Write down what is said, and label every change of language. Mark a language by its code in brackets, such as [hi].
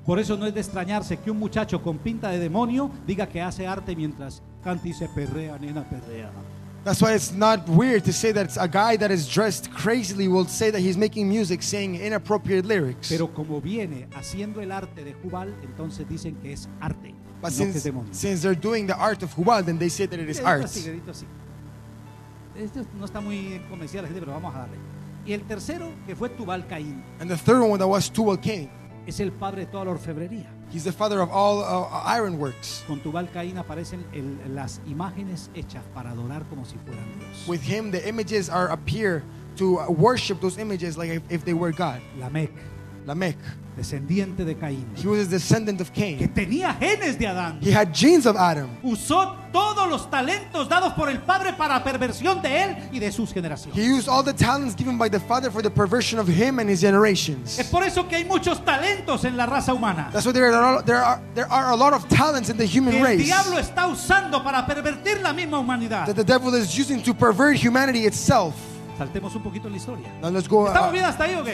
[es] Por eso no es de extrañarse que un muchacho con pinta de demonio diga que hace arte mientras canta y se perrea, nena, perrea. [en] That's why it's not weird to say that a guy that is dressed crazily will say that he's making music, saying inappropriate lyrics. [es] Pero como viene haciendo el arte de Jubal, entonces dicen que es arte. [en] But since they're doing the art of Jubal, then they say that it is art. [es] Esto no está muy convencido a la gente, pero vamos a darle. Y el tercero, que fue Tubal Caín. [en] And the third one that was Tubal Cain. [es] Es el padre de toda la orfebrería. [en] He's the father of all iron works. [es] Con Tubal Caín aparecen las imágenes hechas para adorar como si fueran Dios. [en] With him, the images appear to worship those images like if they were God. [es] Lamech. Descendiente de Caín. [en] He was a descendant of Cain. [es] Que tenía genes de Adán. [en] He had genes of Adam. [es] Usó todos los talentos dados por el padre para perversión de él y de sus generaciones. [en] He used all the talents given by the father for the perversion of him and his generations. [es] Es por eso que hay muchos talentos en la raza humana. [en] That's why there are a lot of talents in the human [es] que el [en] race. [es] El diablo está usando para pervertir la misma humanidad. [en] That the devil is using to pervert humanity itself. [es] Saltemos un poquito en la historia. [en] Now let's go. [es] ¿Estamos bien hasta ahí, okay?